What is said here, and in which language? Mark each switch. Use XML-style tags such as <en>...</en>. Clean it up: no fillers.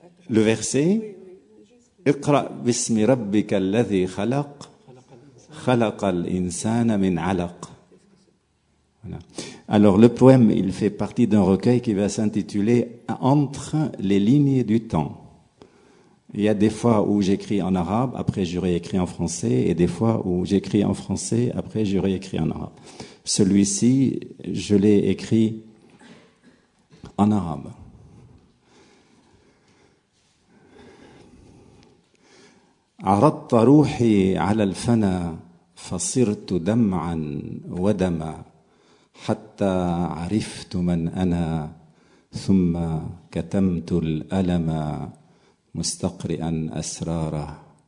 <fr>Le verset</fr> <ar>اقرا باسم ربك الذي خلق خلق الانسان من علق.</ar> <fr>Alors le poème, il fait partie d'un recueil qui va s'intituler Entre les lignes du temps. Il y a des fois où j'écris en arabe, après j'aurais écrit en français, et des fois où j'écris en français, après j'aurais écrit en arabe. Celui-ci, je l'ai écrit en arabe.</fr> <ar>عرضت روحي على الفنا فصرت دمعا ودما حتى عرفت من أنا ثم كتمت الألم مستقرئا أسراره</ar>